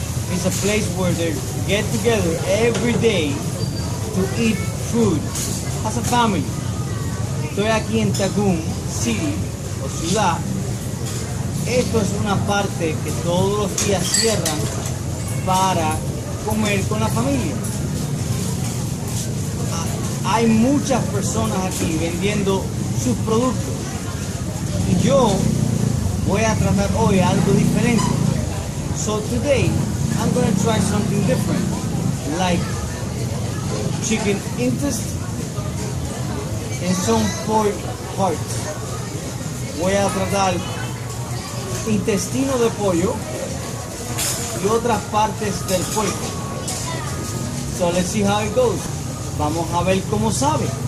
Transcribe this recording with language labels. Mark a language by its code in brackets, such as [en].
[en] It's a place where they get together every day to eat food as a family. [es] Estoy aquí en Tagum City, o ciudad. Esto es una parte que todos los días cierran para comer con la familia. Hay muchas personas aquí vendiendo sus productos. Yo voy a tratar hoy algo diferente. [en] So today, I'm going to try something different, like chicken intestines and some pork hearts. [es] Voy a tratar intestino de pollo y otras partes del puerco. [en] So let's see how it goes. [es] Vamos a ver cómo sabe.